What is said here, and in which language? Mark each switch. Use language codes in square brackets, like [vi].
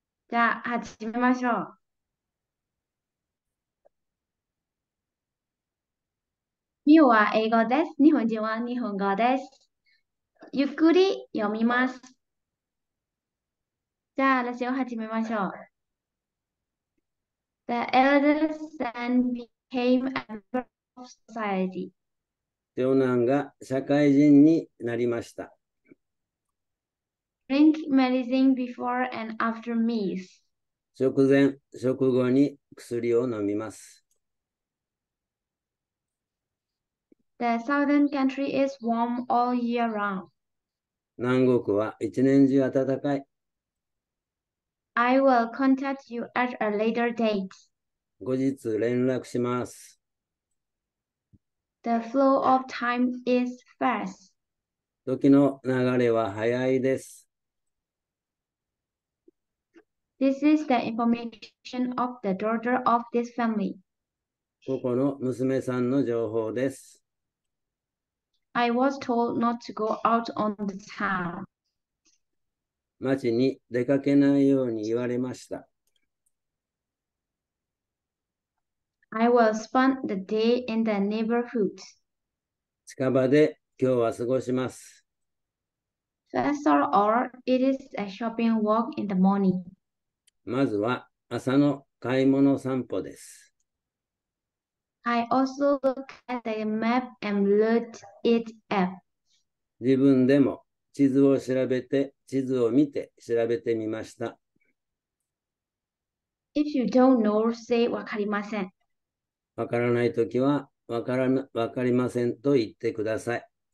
[ja] じゃあ始めましょう。ミオは英語です。日本人は日本語です。ゆっくり読みます。じゃあ私を始めましょう。 [en] The eldest son became a member of society. [ja] 長男が社会人になりました。 [en] Drink medicine before and after meals. [ja] 食前、食後に薬を飲みます。 [en] The southern country is warm all year round. [ja] 南国は一年中暖かい。 [en] I will contact you at a later date. [ja] 後日連絡します。 [en] The flow of time is fast. [ja] 時の流れは早いです。 [en] This is the information of the daughter of this family. [ja] ここの娘さんの情報です。 [en] I was told not to go out on the town. [ja] 街に出かけないように言われました。 [en] I will spend the day in the neighborhood. [ja] 近場で今日は過ごします。 [en] First of all, it is a shopping walk in the morning. [ja] まずは朝の買い物散歩です。 [en] I also look at the map and looked it up. [ja] 自分でも地図を調べて、地図を見て調べてみました。 [en] If you don't know, say [ja] わかりません。わからないときは、わかりませんと言ってください。